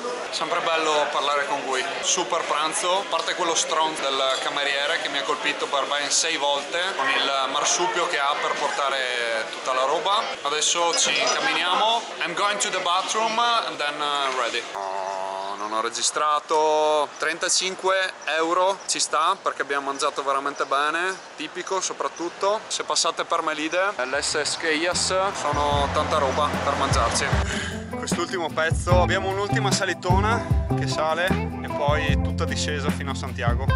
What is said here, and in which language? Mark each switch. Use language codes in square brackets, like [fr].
[it] Sempre bello parlare con voi. Super pranzo, a parte quello strong del cameriere che mi ha colpito per ben 6 volte con il marsupio che ha per portare tutta la roba. Adesso ci incamminiamo. [en] I'm going to the bathroom and then ready. [it] Non ho registrato. 35 euro ci sta perché abbiamo mangiato veramente bene, tipico soprattutto. Se passate per Melide, Les Esqueias sono tanta roba per mangiarci. Quest'ultimo pezzo, abbiamo un'ultima salitona che sale e poi tutta discesa fino a Santiago.